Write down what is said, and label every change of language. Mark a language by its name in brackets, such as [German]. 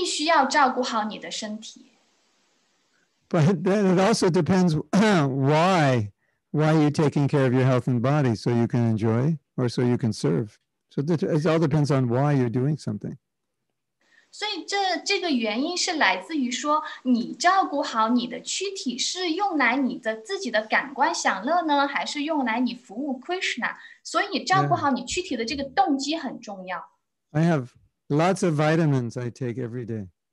[Chinese] 是的，你必须要照顾好你的身体。 [English] But then it also depends why are you taking care of your health and body, so you can enjoy or so you can serve. So it all depends on why you're doing something. [Chinese] 所以这个原因是来自于说，你照顾好你的躯体是用来你的自己的感官享乐呢，还是用来你服务 Krishna？所以你照顾好你躯体的这个动机很重要。Yeah. [English] I have lots of vitamins I take every day.